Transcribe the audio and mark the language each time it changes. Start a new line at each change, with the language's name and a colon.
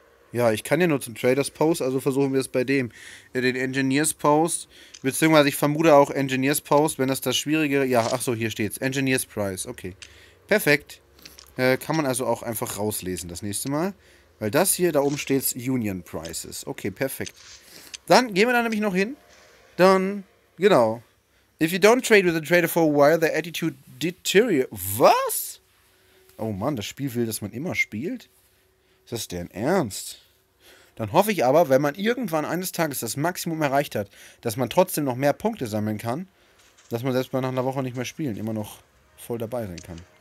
German: Ja, ich kann ja nur zum Trader's Post, also versuchen wir es bei dem. Den Engineer's Post, beziehungsweise ich vermute auch Engineer's Post, wenn das Schwierige... Ja, ach so, hier steht's. Engineer's Price, okay. Perfekt. Kann man also auch einfach rauslesen das nächste Mal. Weil das hier, da oben steht's Union Prices. Okay, perfekt. Dann gehen wir da nämlich noch hin. Dann... Genau.
English: If you don't trade with a trader for a while, their attitude deteriorates.
German: Was? Oh Mann, das Spiel will, dass man immer spielt? Ist das denn ernst? Dann hoffe ich aber, wenn man irgendwann eines Tages das Maximum erreicht hat, dass man trotzdem noch mehr Punkte sammeln kann, dass man selbst mal nach einer Woche nicht mehr spielen immer noch voll dabei sein kann.